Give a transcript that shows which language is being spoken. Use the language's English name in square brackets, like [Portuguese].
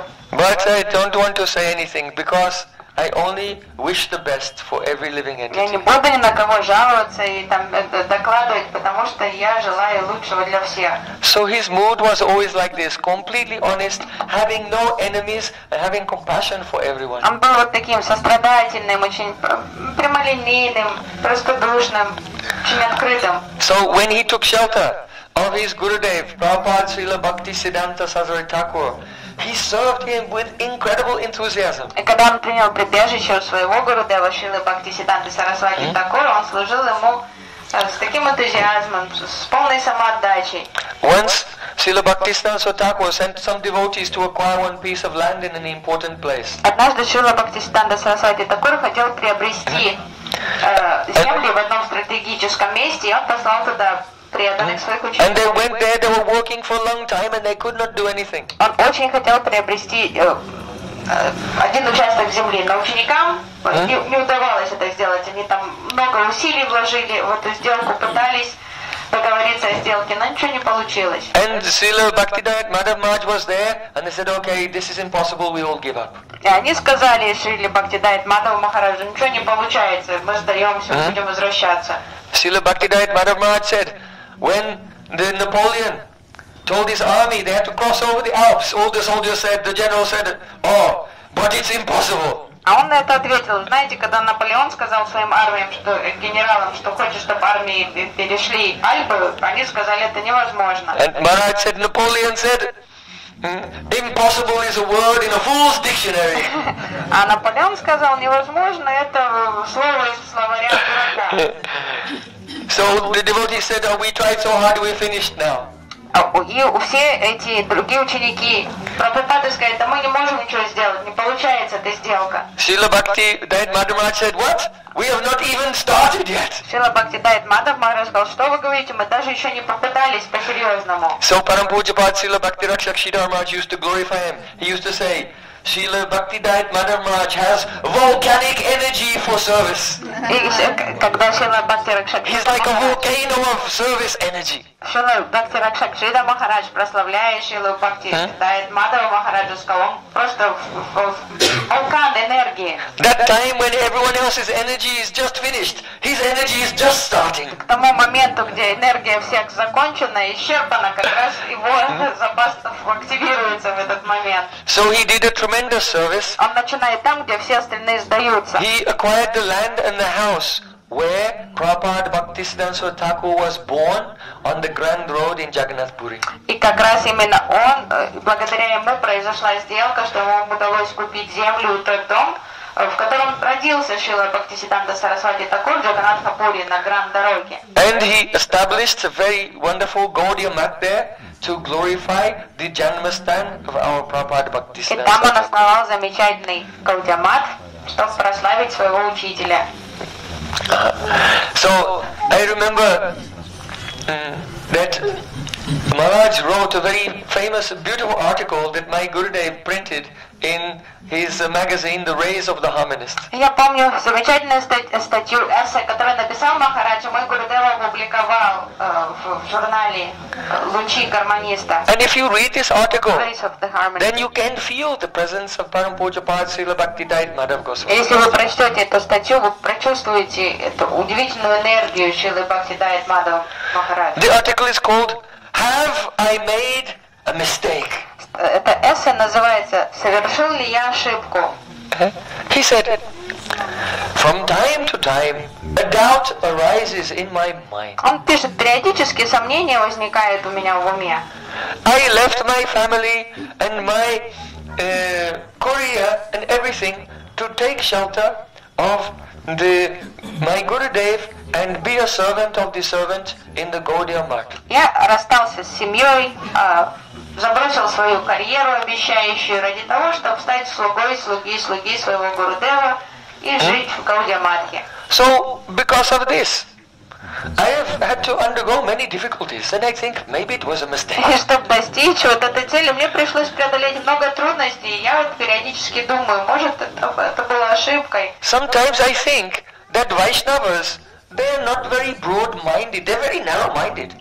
[English] But I don't want to say anything because I only wish the best for every living entity. [Russian] Я не буду ни на кого жаловаться и там докладывать, потому что я желаю лучшего для всех. [English] So his mood was always like this, completely honest, having no enemies, having compassion for everyone. [Russian] Он был вот таким сострадательным, очень прямолинейным, простодушным, очень открытым. [English] So when he took shelter of his Gurudev, Prabhupada Srila Bhakti Siddhanta Sadhguru Thakur, he served him with incredible enthusiasm. [Russian] И когда он принял прибежище у своего Гурудева Шрилы Бхакти Сиддханты Сарасвати Такур, он служил ему с таким энтузиазмом, с полной самоотдачей. [English] Once Srila Bhakti Siddhanta Thakur sent some devotees to acquire one piece of land in an important place. [Russian] Однажды Шрила Бхакти Сиддханта Сарасвати Такур хотел приобрести землю в одном стратегическом месте, и он послал туда. [English] And they went there, they were working for a long time and they could not do anything. [Russian] Он очень хотел приобрести один участок земли, но ученикам не удавалось это сделать. Они там много усилий вложили в эту сделку, пытались договориться о сделке, но ничего не получилось. [English] And Srila Bhaktidayata Madhav Maharaj was there and they said, okay, this is impossible, we all give up. [Russian] И они сказали Srila Bhaktidayata Madhav Maharaj, ничего не получается, мы сдаемся, мы будем возвращаться. [English] Srila Bhaktidayata Madhav Maharaj said, when the Napoleon told his army they had to cross over the Alps, all the soldiers said, the general said, oh, but it's impossible. [Russian] А он на это ответил, знаете, когда Наполеон сказал своим армиям, что генералам, что хочет, чтобы армии перешли Альпы, они сказали, это невозможно. [English] And Maharaj said, Napoleon said, impossible is a word in a fool's dictionary. [Russian] А Наполеон сказал, невозможно, это слово из словаря дурака. [English] So the devotees said, oh, we tried so hard, we're finished now. [Russian] И все эти другие ученики Прабхупады сказали, да мы не можем ничего сделать, не получается эта сделка. [English] Srila Bhakti Dayat Madhav Maharaj said, what? We have not even started yet. [Russian] Srila Bhakti Dayat Madhav Maharaj сказал, что вы говорите, мы даже еще не попытались по-серьезному. [English] So Парампуджапад Srila Bhakti Rakshak Sridhar Maharaj used to glorify him. He used to say, Srila Bhakti Dayat Madhav Maharaj has volcanic energy for service. He's like a volcano of service energy. [Russian] Шрила Бхакти Ракшак Шрида Махарадж, прославляя Шрилу Бхакти Дайт Мадхава Махараджу, сказал, он просто вулкан энергии. [English] That time when everyone else's energy is just finished, his energy is just starting. [Russian] К тому моменту, где энергия всех закончена, исчерпана, как раз его запас активируется в этот момент. [English] So he did a tremendous service. [Russian] Он начинает там, где все остальные сдаются. [English] He acquired the land and the house where Prabhupada Bhaktisiddhanta Thakur was born on the Grand Road in Jagannath Puri. [Russian] И как раз именно он, благодаря ему, произошла сделка, что ему удалось купить землю и тот дом, в котором родился Шрила Бхактисиддханта Сарасвати Тхакур в Джаганнатхапуре на Гранд-дороге. [English] And he established a very wonderful Gaudiya Math there to glorify the Janmasthan of our Prabhupada Bhaktisiddhanta. [Russian] И там он основал замечательный Gaudiya Math, чтобы прославить своего учителя. [English] So I remember that Maharaj wrote a very famous, beautiful article that my Gurudev printed in his magazine, The Rays of the Harmonist. [Russian] Я помню замечательную статью эссе, которую написал Махарадж, мой Гурудев опубликовал в журнале «Лучи гармониста». [English] And if you read this article, then you can feel the presence of Парампуджа Пад Срила Бхакти Дайт Мадхава Госвами. [Russian] Если вы прочтете эту статью, вы прочувствуете эту удивительную энергию Шрилы Бхакти Дайт Мадхава Махарадж. [English] The article is called Have I made a mistake? [Russian] Это эссе называется «Совершил ли я ошибку?» [English] He said, from time to time a doubt arises in my mind. [Russian] Он пишет, периодически сомнения возникают у меня в уме. [English] I left my family and my career and everything to take shelter of my Gurudev and be a servant of the servant in the Gaudiya Math. [Russian] Я расстался с семьей, забросил свою карьеру обещающую ради того, чтобы стать слугой слуги своего Гурудева и жить в Gaudiya Mathе. [English] So because of this, I have had to undergo many difficulties, and I think maybe it was a mistake. [Russian] И чтобы достичь вот этой цели, мне пришлось преодолеть много трудностей. Я вот периодически думаю, может это была ошибкой. [English] Sometimes I think that Vaishnavas, they are not very broad-minded, they are very narrow-minded.